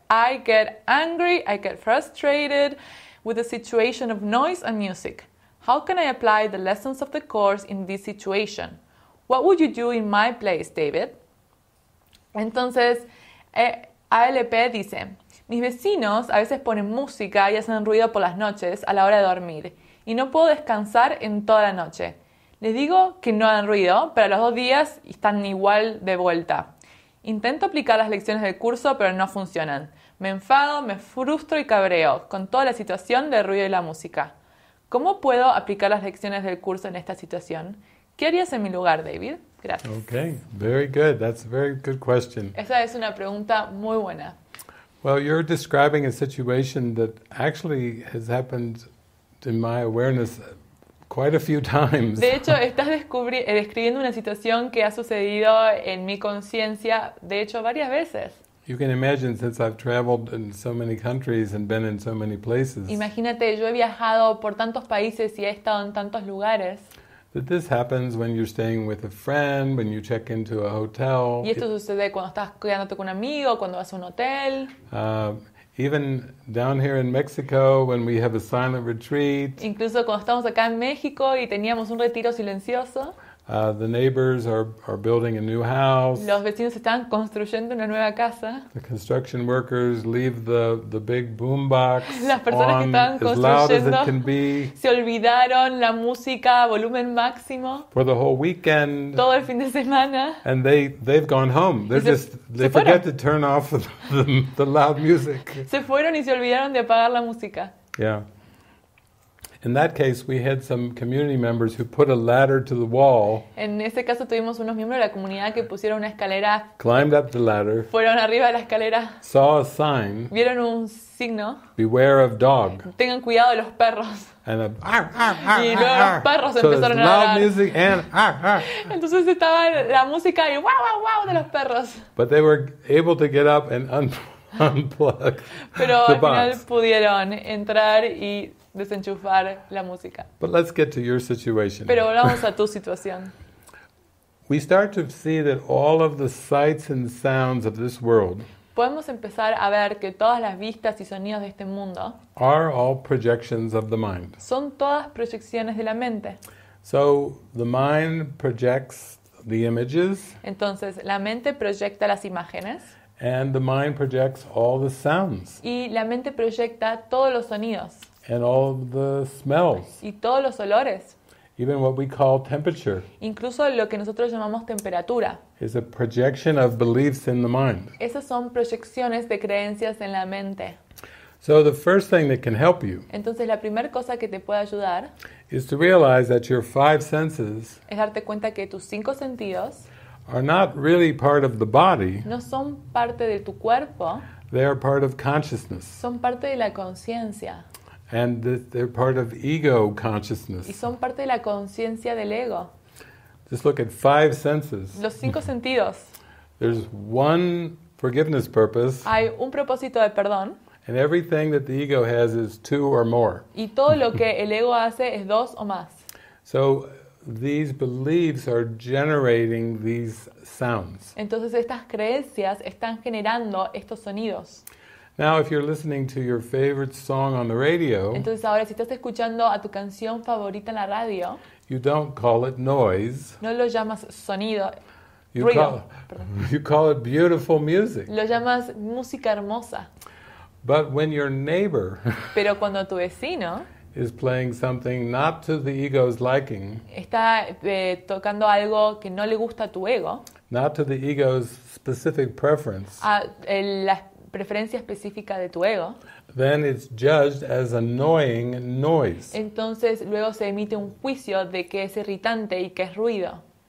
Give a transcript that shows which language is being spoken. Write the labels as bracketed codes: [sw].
[en] I get angry, I get frustrated with the situation of noise and music. How can I apply the lessons of the course in this situation? What would you do in my place, David? [es] Entonces, ALP dice, mis vecinos a veces ponen música y hacen ruido por las noches a la hora de dormir, y no puedo descansar en toda la noche. Les digo que no hagan ruido, pero a los 2 días están igual de vuelta. Intento aplicar las lecciones del curso, pero no funcionan. Me enfado, me frustro y cabreo con toda la situación del ruido y la música. ¿Cómo puedo aplicar las lecciones del curso en esta situación? ¿Qué harías en mi lugar, David? Gracias. [en] Okay, very good. That's a very good question. [es] Esa es una pregunta muy buena. [en] Well, you're describing a situation that actually has happened in my awareness quite a few times. [es] De hecho, estás describiendo una situación que ha sucedido en mi conciencia, de hecho, varias veces. [en] You can imagine, since I've traveled in so many countries and been in so many places. [es] Imagínate, yo he viajado por tantos países y he estado en tantos lugares. [en] That this happens when you're staying with a friend, when you check into a hotel. [es] Y esto sucede cuando estás quedándote con un amigo, cuando vas a un hotel. [en] Even down here in Mexico, when we have a silent retreat. [es] Incluso cuando estamos acá en México y teníamos un retiro silencioso. [en] The neighbors are building a new house. [es] Los vecinos están construyendo una nueva casa. [en] The construction workers leave the big boombox [es] las personas [en] on [es] que estaban construyendo [en] as loud as it can be. [es] Se olvidaron la música a volumen máximo. [en] For the whole weekend. [es] Todo el fin de semana. [en] And they've gone home. They forget to turn off the loud music. [es] Se fueron y se olvidaron de apagar la música. [en] Yeah. In that case, we had some community members who put a ladder to the wall. [es] En ese caso tuvimos unos miembros de la comunidad que pusieron una escalera. [en] Climbed up the ladder. [es] Fueron arriba de la escalera. [en] Saw a sign. [es] Vieron un signo. [en] Beware of dog. [es] Tengan cuidado de los perros. [en] And a, [es] y luego los perros [en] so [es] empezaron a [en] loud Music and [es] entonces estaba la música y wow wow wow de los perros. [en] But they were able to get up and unplug [es] pero [en] the [es] al final [en] box. [es] Pudieron entrar y desenchufar la música. [en] But let's get to your situation. [es] Pero volvamos a tu situación. [en] We start to see that all of the sights and sounds of this world. [es] Podemos empezar a ver que todas las vistas y sonidos de este mundo [en] are all projections of the mind. [es] Son todas proyecciones de la mente. [en] So the mind projects the images. [es] Entonces la mente proyecta las imágenes. [en] And the mind projects all the sounds. [es] Y la mente proyecta todos los sonidos. [en] And all the smells. [es] Y todos los olores. [en] Even what we call temperature. [es] Incluso lo que nosotros llamamos temperatura. [en] Is a projection of beliefs in the mind. [es] Esas son proyecciones de creencias en la mente. [en] So the first thing that can help you. [es] Entonces la primera cosa que te puede ayudar. [en] Is to realize that your five senses. [es] Es darte cuenta que tus cinco sentidos. [en] Are not really part of the body. [es] No son parte de tu cuerpo. [en] They are part of consciousness. [es] Son parte de la conciencia. [en] And they're part of ego consciousness. [es] Y son parte de la conciencia del ego. [en] Just look at five senses. [es] Los cinco sentidos. [en] There's one forgiveness purpose. [es] Hay un propósito de perdón. [en] And everything that the ego has is two or more. [es] Y todo lo que el ego hace es dos o más. [en] So these beliefs are generating these sounds. [es] Entonces estas creencias están generando estos sonidos. [en] Now, if you're listening to your favorite song on the radio, [es] entonces ahora si estás escuchando a tu canción favorita en la radio, [en] you don't call it noise. [es] No lo llamas sonido. [en] You call it beautiful music. [es] Lo llamas música hermosa. [en] But when your neighbor, [es] pero cuando tu vecino, [en] is playing something not to the ego's liking, [es] está tocando algo que no le gusta a tu ego, [en] not to the ego's specific preference, [es] preferencia específica de tu ego. [en] Then it's judged as annoying noise. [es] Entonces luego se emite un juicio de que es irritante y que es ruido.